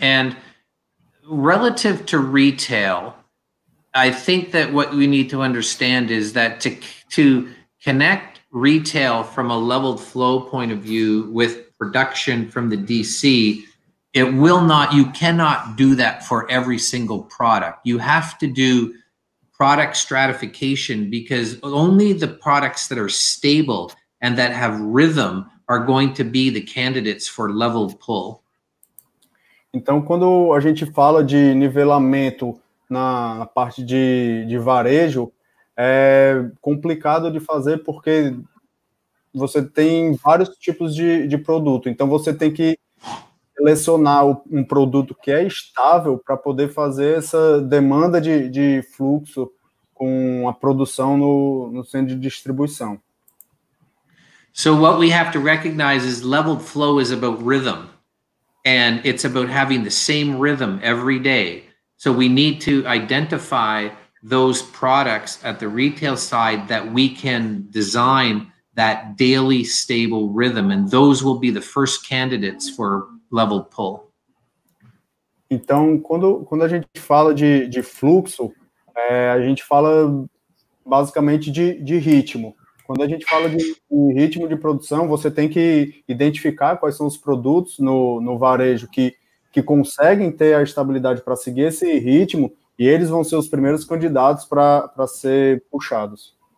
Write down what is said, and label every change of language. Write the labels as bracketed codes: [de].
[en] And relative to retail, I think that what we need to understand is that to connect retail from a leveled flow point of view with production from the DC, it will not, you cannot do that for every single product. You have to do product stratification because only the products that are stable and that have rhythm are going to be the candidates for leveled pull. [pt] Então, quando a gente fala de nivelamento na parte de varejo, é complicado de fazer porque você tem vários tipos de produto. Então, você tem que selecionar um produto que é estável para poder fazer essa demanda de fluxo com a produção no centro de distribuição. [en] So, what we have to recognize is leveled flow is about rhythm. And it's about having the same rhythm every day. So we need to identify those products at the retail side that we can design that daily stable rhythm, and those will be the first candidates for level pull. [pt] Então, quando a gente fala de fluxo, a gente fala basicamente de ritmo. Quando a gente fala de ritmo de produção, você tem que identificar quais são os produtos no varejo que que conseguem ter a estabilidade para seguir esse ritmo, e eles vão ser os primeiros candidatos para ser puxados.